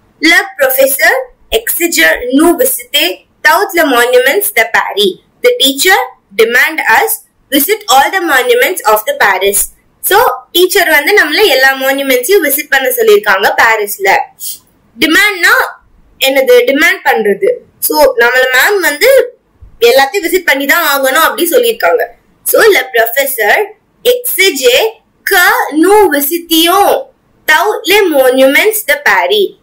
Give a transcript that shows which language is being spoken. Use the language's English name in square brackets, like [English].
[French] Le professeur exige nous visiter tous les monuments de Paris. [English] The teacher demand us visit all the monuments of the Paris. [Tamil] So, teacher வந்து நம்மள எல்லா monuments யும் visit பண்ண சொல்லியிருக்காங்க Parisல. Demand னா என்னது? Demand பண்றது. So, நம்மள மேம் வந்து எல்லாத்தையும் visit பண்ணி தான் ஆகணும் அப்படி சொல்லியிருக்காங்க. [French] So, le professeur exige que nous visitions tous les monuments de Paris.